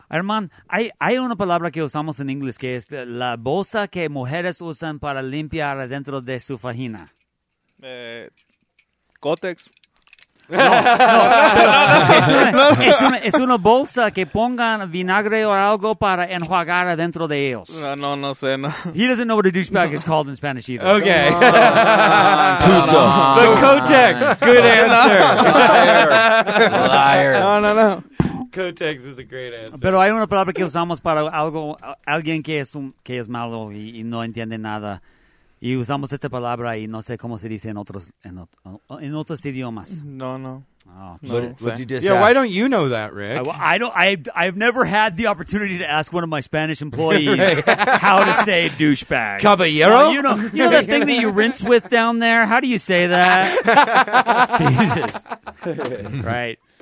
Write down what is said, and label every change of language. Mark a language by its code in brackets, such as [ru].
[es] Armand, hay una palabra que usamos en inglés que es la bolsa que mujeres usan para limpiar dentro de su vagina. Cotex. Es una bolsa que pongan vinagre o algo para enjuagar adentro de ellos. No sé. [en] He doesn't know what a douchebag is called in Spanish either. Okay. [es] Puto. [en] The Kotex. Good answer. Liar. No. Kotex is a great answer. [es] Pero hay una palabra que usamos para algo, alguien que es malo y no entiende nada. Y usamos esta palabra y no sé cómo se dice en otros idiomas. No. [en] What did you just Yeah, why don't you know that, Rick? I've never had the opportunity to ask one of my Spanish employees how to say douchebag. [es] Caballero? [en] Well, you know that thing that you rinse with down there? How do you say that? Jesus. Right.